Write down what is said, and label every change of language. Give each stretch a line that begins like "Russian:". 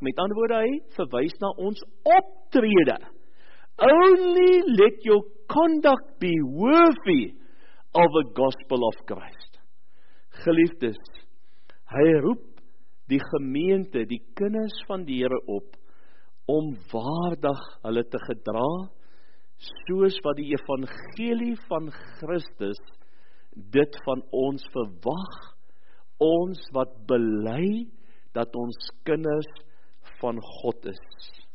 Afrikaans: Met ander woorde, hy verwys na ons optrede.
English: Only let your conduct be worthy of the gospel of Christ.
Afrikaans: Geliefdes, hy roep die gemeente, die kinders van die Here op, om waardig hulle te gedra, soos wat die evangelie van Christus dit van ons verwag, ons wat bely dat ons kinders van God is.